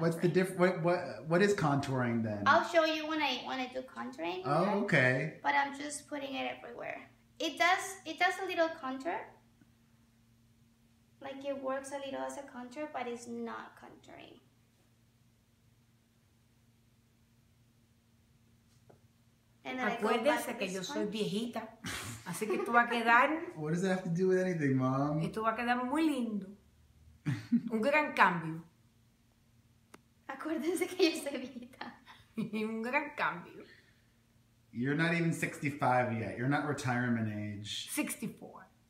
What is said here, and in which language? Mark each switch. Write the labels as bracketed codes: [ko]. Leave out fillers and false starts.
[en] What's the difference, what is contouring then? I'll show you when I do contouring. Oh, right? Okay. But I'm just putting it everywhere. It does a little contour. Like it works a little as a contour, but it's not contouring. [es] Acuérdese que yo soy viejita, así que esto va a quedar... [en] What does that have to do with anything, Mom? [es] Esto va a quedar muy lindo. Un gran cambio. Acuérdese que yo soy viejita. Un gran cambio. [en] You're not even 65 yet. You're not retirement age. [es] 64.